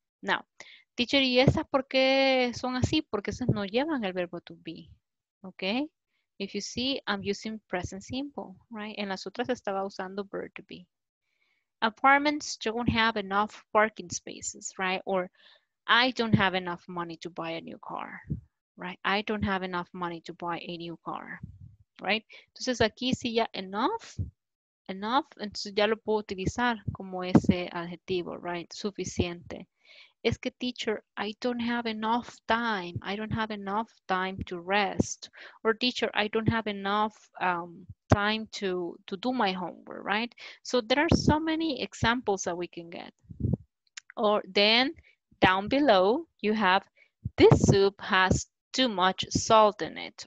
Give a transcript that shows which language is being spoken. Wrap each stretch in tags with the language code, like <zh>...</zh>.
<es>Now, teacher, ¿y esas por qué son así? Porque esas no llevan el verbo to be, okay?</es> <en>If you see, I'm using present simple, right?</en> <es>En las otras estaba usando verb to be.</es> <en>Apartments don't have enough parking spaces, right? Or I don't have enough money to buy a new car, right? I don't have enough money to buy a new car, right?</en> <es>Entonces aquí sí ya</es> <en>enough</en> <es>enough, entonces ya lo puedo utilizar como ese adjetivo, right? Suficiente. Es que,</es> <en>teacher, I don't have enough time. I don't have enough time to rest. Or, teacher, I don't have enough time to do my homework, right? So there are so many examples that we can get. Or then, down below, you have, this soup has too much salt in it.</en>